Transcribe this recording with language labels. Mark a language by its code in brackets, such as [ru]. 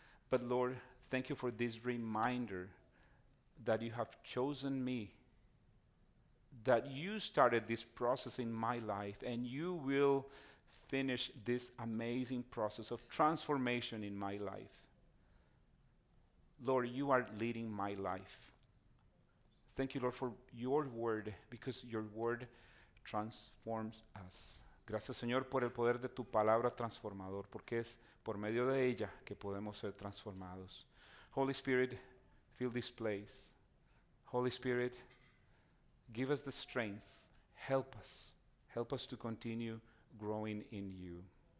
[en] But Lord, thank you for this reminder that you have chosen me, that you started this process in my life, and you will finish this amazing process of transformation in my life. Lord, you are leading my life. Thank you, Lord, for your word, because your word transforms us. [es] Gracias, Señor, por el poder de tu palabra transformador, porque es por medio de ella que podemos ser transformados. [en] Holy Spirit, fill this place. Holy Spirit, give us the strength. Help us. Help us to continue growing in you.